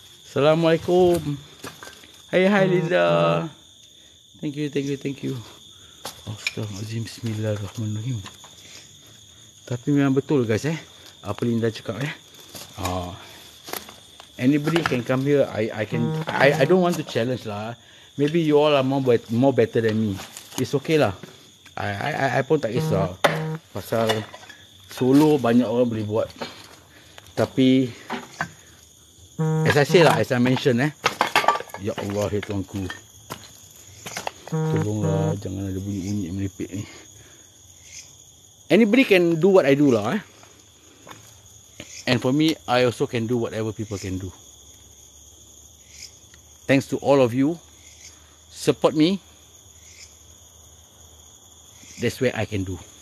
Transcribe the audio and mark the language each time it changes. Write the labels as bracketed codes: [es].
[ms] Assalamualaikum. Hai Liza. [en] Thank you. [ms] Astaghfirullahaladzim. Bismillahirrahmanirrahim. Tapi memang betul guys eh. Apa Linda cakap eh. [en] Anybody can come here. I don't want to challenge lah. Maybe you all are more better than me. It's okay [ms] lah. I pun tak kisah. Pasal solo banyak orang boleh buat. [en] Tapi as I say lah, as I mention eh. [ms] Ya Allah ya Tuhanku. Tolonglah jangan ada bunyi-bunyi yang melipik ni. [en] Anybody can do what I do lah eh. And for me, I also can do whatever people can do. Thanks to all of you. Support me. That's where I can do.